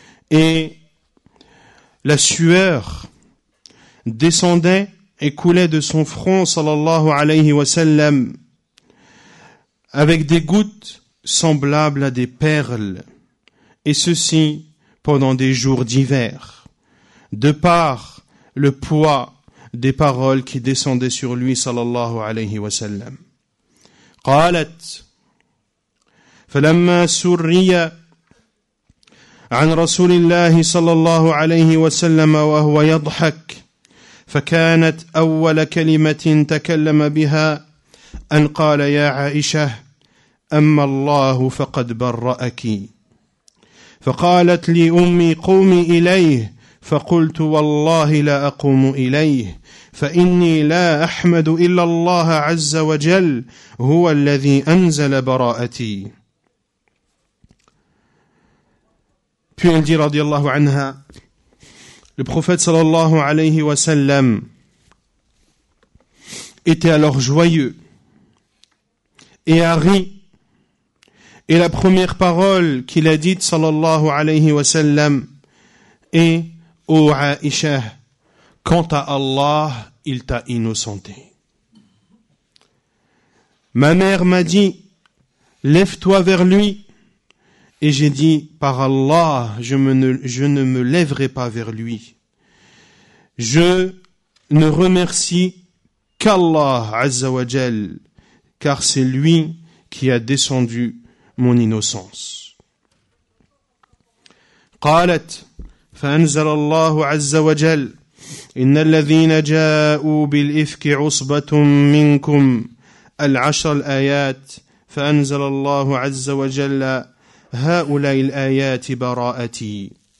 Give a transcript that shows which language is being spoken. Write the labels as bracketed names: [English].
[French] Et la sueur descendait et coulait de son front sallallahu alayhi wa sallam avec des gouttes semblable à des perles, et ceci pendant des jours d'hiver, de par le poids des paroles qui descendaient sur lui, sallallahu alayhi wa sallam. [Arabic] قالت فلما سري عن رسول الله صلى الله عليه وسلم وهو يضحك فكانت أول كلمة تكلم بها أن قال يا عائشة أما الله فقد برأك فقالت لي أمي قومي إليه فقلت والله لا أقوم إليه فإني لا أحمد إلا الله عز وجل هو الذي أنزل براءتي. [French] Puis elle dit, radiallahu anha, le prophète sallallahu alayhi wa sallam était alors joyeux et a ri. Et la première parole qu'il a dite, sallallahu alayhi wa sallam, est « Ô Aïcha, quant à Allah, il t'a innocenté. Ma mère m'a dit « Lève-toi vers lui » et j'ai dit « Par Allah, je ne me lèverai pas vers lui. » je ne remercie qu'Allah Azza wa Jal, car c'est lui qui a descendu mon innocence. [Arabic] قالت فأنزل الله عز وجل إن الذين جاءوا بالإفك عصبة منكم العشر الآيات فأنزل الله عز وجل هؤلاء الآيات براءتي.